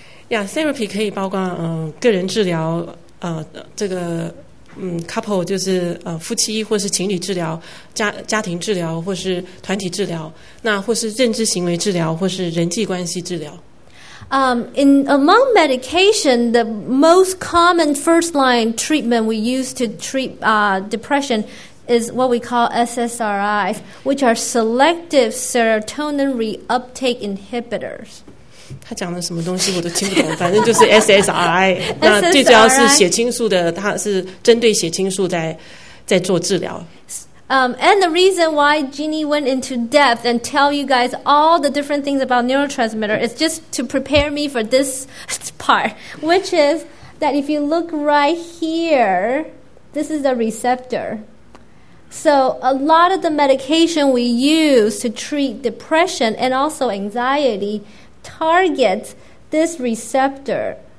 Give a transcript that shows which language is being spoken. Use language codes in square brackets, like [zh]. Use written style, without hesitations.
[zh] Yeah, therapy 可以包括个人治疗这个couple 就是夫妻或是情侣治疗，家庭治疗或是团体治疗，那或是认知行为治疗或是人际关系治疗。 [en] In among medication, the most common first line treatment we use to treat depression is what we call SSRIs, which are selective serotonin reuptake inhibitors. [zh] 他讲的什么东西我都听不懂，反正就是 SSRI 那最主要是血清素的，它是针对血清素在做治疗。 [en] And the reason why Jeannie went into depth and tell you guys all the different things about neurotransmitter is just to prepare me for this part, which is that if you look right here, this is a receptor. So a lot of the medication we use to treat depression and also anxietyTarget this receptor.